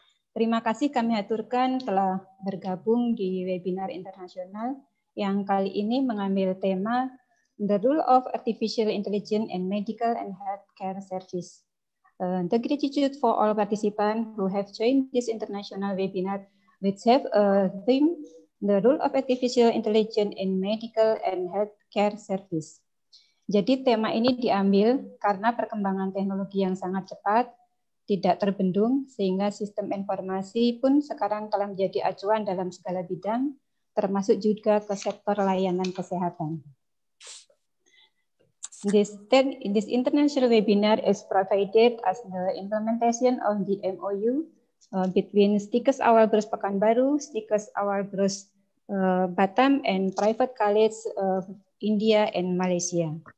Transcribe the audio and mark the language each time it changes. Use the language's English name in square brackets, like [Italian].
[Indonesian] Terima kasih kami haturkan telah bergabung di webinar internasional yang kali ini mengambil tema The Role of Artificial Intelligence in Medical and Healthcare Service. [English] The gratitude for all participants who have joined this international webinar, which have a theme, The Role of Artificial Intelligence in Medical and Healthcare Service. [Indonesian] Jadi tema ini diambil karena perkembangan teknologi yang sangat cepat, tidak terbendung, sehingga sistem informasi pun sekarang telah menjadi acuan dalam segala bidang, termasuk juga ke sektor layanan kesehatan. [English] This international webinar is provided as the implementation of the MOU between Stikes Awal Bros Pekanbaru, Stikes Awal Bros Batam, and Private College of India and Malaysia.